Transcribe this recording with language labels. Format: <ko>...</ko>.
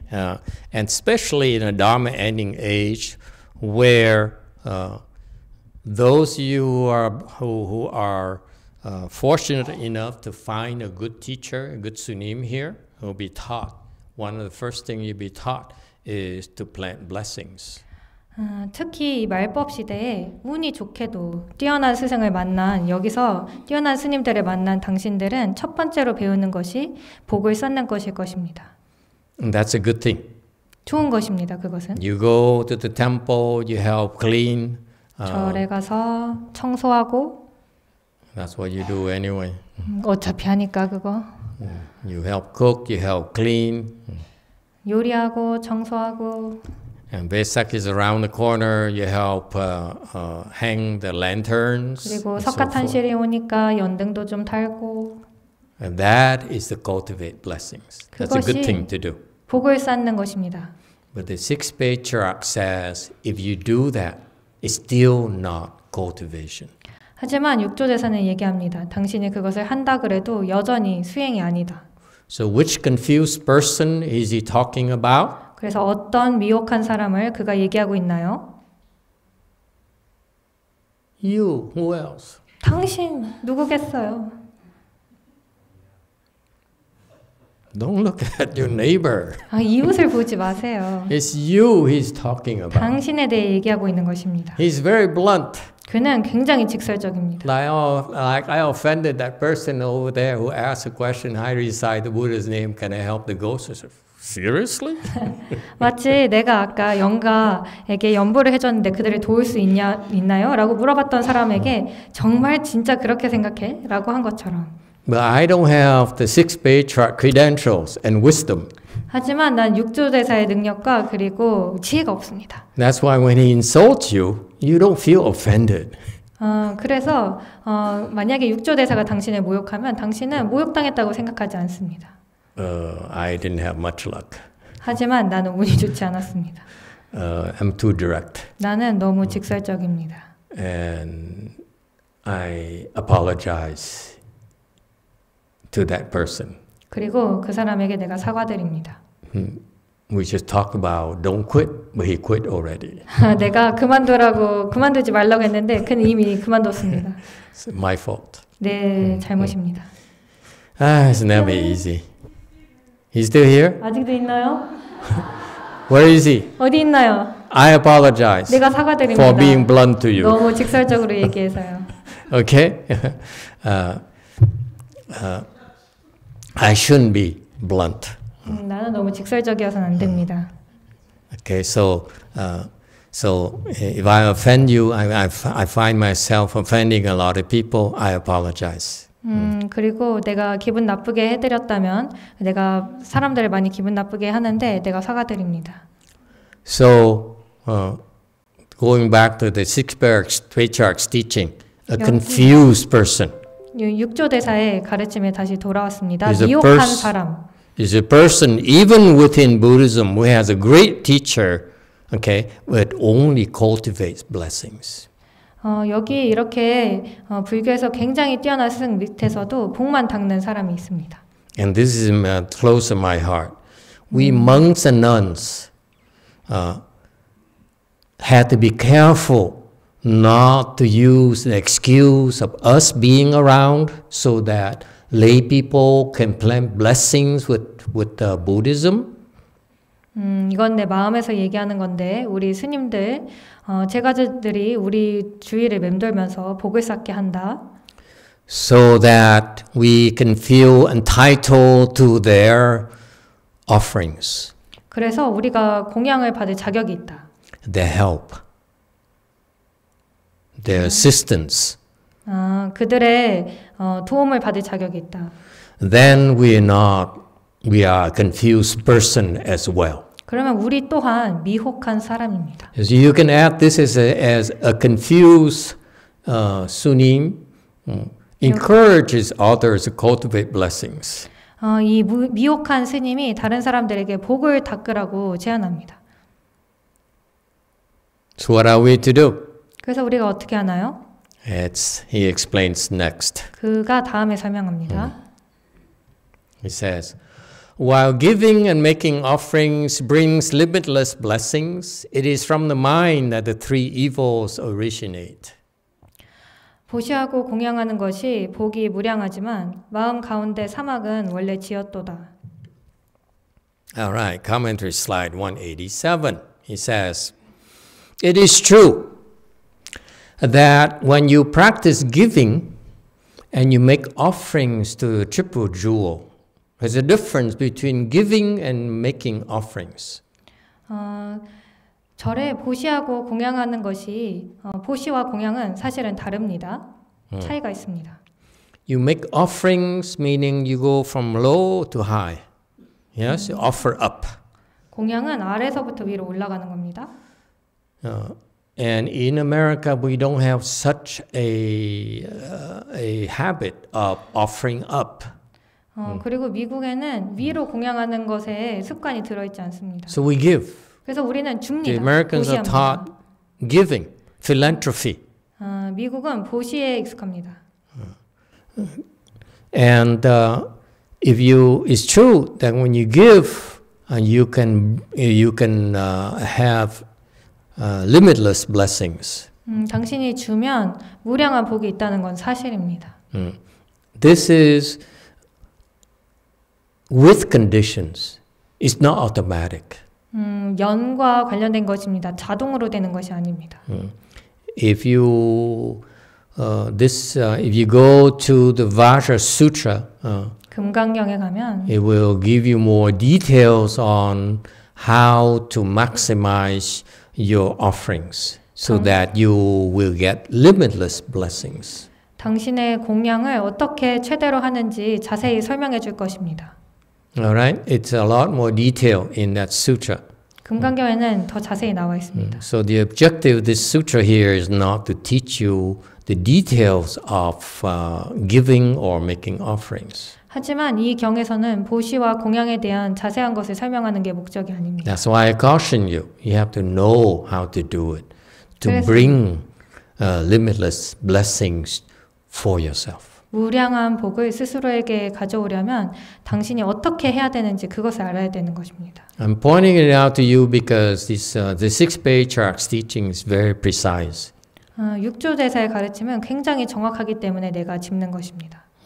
<en>And especially in a Dharma ending age where those you are who are fortunate enough to find a good teacher, a good sunim here, who will be taught. One of the first things you'll be taught is to plant blessings.</en> <ko>특히 말법 시대에 운이 좋게도 뛰어난 스승을 만난 여기서 뛰어난 스님들을 만난 당신들은 첫 번째로 배우는 것이 복을 쌓는 것일 것입니다.</ko> <en>And that's a good thing.</en> <ko>좋은 것입니다. 그것은.</ko> <en>You go to the temple, you help clean.</en> <ko>절에 가서 청소하고.</ko> <en>That's what you do anyway.</en> <ko>어차피 하니까 그거.</ko> <en>You help cook, you help clean.</en> <ko>요리하고 청소하고.</ko> <en>And Vesak is around the corner. You help hang the lanterns.</en> <ko>그리고 석가탄실이 오니까 연등도 좀 달고.</ko> <en>And that is to cultivate blessings. That's a good thing to do.</en> <ko>복을 쌓는 것입니다.</ko> <en>But the sixth patriarch says, if you do that, it's still not cultivation.</en> <ko>하지만 6조 제사는 얘기합니다. 당신이 그것을 한다 그래도 여전히 수행이 아니다.</ko> <en>So which confused person is he talking about?</en> <ko>그래서 어떤 미혹한 사람을 그가 얘기하고 있나요?</ko> <en>You, who else?</en> <ko>당신 누구겠어요?</ko> <en>Don't look at your neighbor.</en> <ko>아, 이웃을 보지 마세요.</ko> <en>It's you he's talking about.</en> <ko>당신에 대해 얘기하고 있는 것입니다.</ko> <en>He's very blunt.</en> <ko>그는 굉장히 직설적입니다.</ko> <en>I offended that person over there who asked a question. I recite the Buddha's name. Can I help the ghosts? Seriously?</en> <ko>마치 내가 아까 영가에게 염불을 해줬는데 그들을 도울 수 있나요? 라고 물어봤던 사람에게 정말 진짜 그렇게 생각해? 라고 한 것처럼.</ko> <en>But I don't have the six patriarch credentials and wisdom.</en> <ko>하지만 난 육조대사의 능력과 그리고 지혜가 없습니다.</ko> <en>That's why when he insults you, you don't feel offended.</en> <ko>그래서 만약에 육조대사가 당신을 모욕하면 당신은 모욕당했다고 생각하지 않습니다.</ko> <en>I didn't have much luck.</en> <ko>하지만 나는 운이 좋지 않았습니다.</ko> <en>I'm too direct.</en> <ko>나는 너무 직설적입니다.</ko> <en>And I apologize to that person.</en> <ko>그리고 그 사람에게 내가 사과드립니다.</ko> <en>We just talk about don't quit, but he quit already.</en> <ko>내가 그만두라고 그만두지 말라고 했는데 그는 이미 그만뒀습니다.</ko> <en>It's my fault.</en> <ko>네, 잘못입니다.</ko> <en>It's never easy. He's still here?</en> <ko>아직도 있나요?</ko> <en>Where is he?</en> <ko>어디 있나요?</ko> <en>I apologize.</en> <ko>내가 사과드립니다.</ko> <en>For being blunt to you.</en> <ko>너무 직설적으로 얘기해서요.</ko> <en>Okay. I shouldn't be blunt.</en> <ko>나는 너무 직설적이어서는 안 됩니다.</ko> <en>Okay. So if I offend you, I find myself offending a lot of people. I apologize.</en> <ko>그리고 내가 기분 나쁘게 해드렸다면 내가 사람들을 많이 기분 나쁘게 하는데 내가 사과드립니다.</ko> <en>So, going back to the six patriarchs teaching, a confused person.</en> <ko>육조대사의 가르침에 다시 돌아왔습니다. 미혹한 사람.</ko> <en>Is a person even within Buddhism who has a great teacher, okay, but only cultivates blessings.</en> <ko>여기 이렇게 불교에서 굉장히 뛰어난 스승 밑에서도 복만 닦는 사람이 있습니다.</ko> <en>And this is close to my heart. We monks and nuns had to be careful not to use the excuse of us being around so that lay people can plant blessings with the Buddhism.</en> <ko>이건 내 마음에서 얘기하는 건데 우리 스님들 제가들이 우리 주위를 맴돌면서 복을 쌓게 한다.</ko> <en>So that we can feel entitled to their offerings.</en> <ko>그래서 우리가 공양을 받을 자격이 있다.</ko> <en>Their help, their assistance.</en> <ko>그들의 도움을 받을 자격이 있다.</ko> <en>Then we are a confused person as well.</en> <ko>그러면 우리 또한 미혹한 사람입니다.</ko> <en>So you can add this as a confused sunim encourages others to cultivate blessings.</en> <ko>이 미혹한 스님이 다른 사람들에게 복을 닦으라고 제안합니다.</ko> <en>So what are we to do?</en> <ko>그래서 우리가 어떻게 하나요?</ko> <en>He explains next.</en> <ko>그가 다음에 설명합니다.</ko> <en>He says, while giving and making offerings brings limitless blessings, it is from the mind that the three evils originate.</en> <ko>보시하고 공양하는 것이 복이 무량하지만 마음 가운데 사막은 원래 지었도다.</ko> <en>All right, commentary slide 187. He says, it is true that when you practice giving and you make offerings to the triple jewel, there's a difference between giving and making offerings.</en> <ko>절에 보시하고 공양하는 것이 보시와 공양은 사실은 다릅니다. 차이가 있습니다.</ko> <en>You make offerings meaning you go from low to high. Yes, you offer up.</en> <ko>공양은 아래서부터 위로 올라가는 겁니다.</ko> <en>And in America, we don't have such a habit of offering up.</en> <ko>그리고 미국에는 위로 공양하는 것에 습관이 들어있지 않습니다.</ko> <en>So we give.</en> <ko>그래서 우리는 줍니다.</ko> <en>The Americans are taught giving, philanthropy.</en> <ko>미국은 보시에 익숙합니다.</ko> <en>And if you, it's true that when you give, you can have limitless blessings.</en> <ko>당신이 주면 무량한 복이 있다는 건 사실입니다.</ko> <en>This is with conditions. It's not automatic.</en> <ko>연과 관련된 것입니다. 자동으로 되는 것이 아닙니다.</ko> <en>If you go to the Vajrasutra,</en> <ko>금강경에 가면,</ko> <en>it will give you more details on how to maximize your offerings so that you will get limitless blessings.</en> <ko>당신의 공양을 어떻게 최대로 하는지 자세히 설명해 줄 것입니다.</ko> <en>All right, it's a lot more detail in that sutra.</en> <ko>금강경에는 더 자세히 나와 있습니다.</ko> <en>So the objective of this sutra here is not to teach you the details of giving or making offerings.</en> <ko>하지만 이 경에서는 보시와 공양에 대한 자세한 것을 설명하는 게 목적이 아닙니다.</ko> <en>That's why I caution you. You have to know how to do it to bring limitless blessings for yourself.</en> <ko>무량한 복을 스스로에게 가져오려면 당신이 어떻게 해야 되는지 그것을 알아야 되는 것입니다.</ko> <en>I'm pointing it out to you because this the six-page chart's teaching is very precise.</en> <ko>육조대사의 가르침은 굉장히 정확하기 때문에 내가 짚는 것입니다.</ko>